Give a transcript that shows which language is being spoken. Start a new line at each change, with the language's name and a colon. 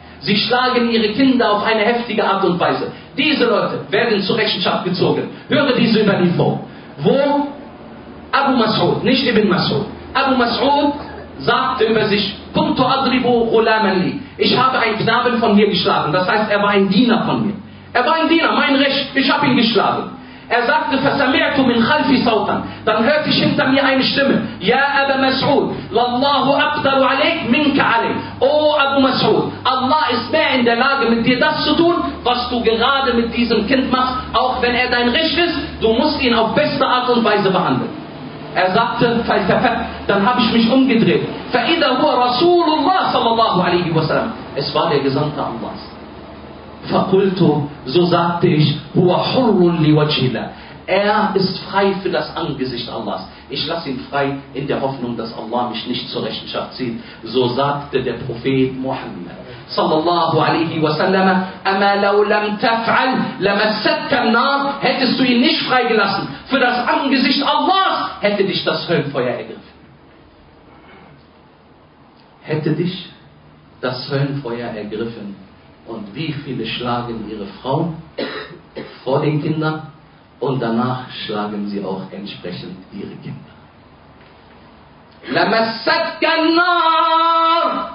German: Sie schlagen ihre Kinder auf eine heftige Art und Weise. Diese Leute werden zur Rechenschaft gezogen. Höre diese Überlieferung. Wo Abu Mas'ud, nicht Ibn Mas'ud, Abu Mas'ud sagte über sich,
Arabic: Kuntu adribu ghulaman li.
German: Ich habe einen Knaben von mir geschlagen. Das heißt, er war ein Diener von mir. Er war ein Diener, mein Recht, ich habe ihn geschlagen. Er sagte,
Arabic: فَسَمِعْتُ مِنْ خَلْفِ سَوْتًا.
German: Dann hörte ich hinter mir eine Stimme.
Arabic: Ja, Abu Mas'ud, لَاللَّهُ أَقْدَرُ عَلَيْكَ مِنْكَ عَلَيْكَ.
German: Oh, Abu Mas'ud, Allah ist mehr in der Lage, mit dir das zu tun, was du gerade mit diesem Kind machst, auch wenn er dein Recht ist, du musst ihn auf beste Art und Weise behandeln. Er sagte, dann habe ich mich umgedreht.
Arabic: فَإِذَا هُوَ رَسُولُ اللَّهِ صَلَى اللَّهُ عَلَيْهِ وَسَلَمْ.
German: Es war der Gesandte Allahs.
Arabic: فَقُلْتُ,
German: so sagte ich,
Arabic: هُوَ حُرٌ لِوَجْهِ اللَّهِ.
German: Er ist frei für das Angesicht Allahs. Ich lasse ihn frei in der Hoffnung, dass Allah mich nicht zur Rechenschaft zieht. So sagte der Prophet Muhammad
Arabic: صلى الله عليه وسلم أما لو لم تفعل لمست النار.
German: Hättest du ihn nicht freigelassen für das Angesicht Allahs, hätte dich das Höllenfeuer ergriffen. Hätte dich das Höllenfeuer ergriffen. Und wie viele schlagen ihre Frauen vor den Kindern und danach schlagen sie auch entsprechend ihre Kinder.